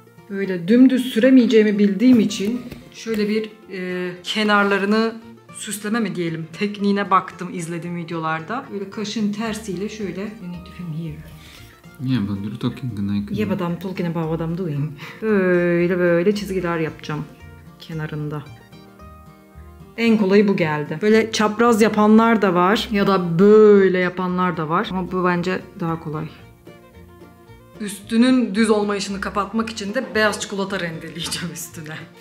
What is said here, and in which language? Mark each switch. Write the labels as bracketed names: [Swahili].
[Turkish] Böyle dümdüz süremeyeceğimi bildiğim için şöyle bir kenarlarını süsleme mi diyelim tekniğine baktım izlediğim videolarda. Böyle kaşın tersiyle şöyle. [English] You need to film here. Yeah, but you're talking like... Yeah, but I'm talking about what I'm doing. [Turkish] Böyle böyle çizgiler yapacağım kenarında. En kolayı bu geldi. Böyle çapraz yapanlar da var ya da böyle yapanlar da var. Ama bu bence daha kolay. Üstünün düz olmayışını kapatmak için de beyaz çikolata rendeleyeceğim üstüne.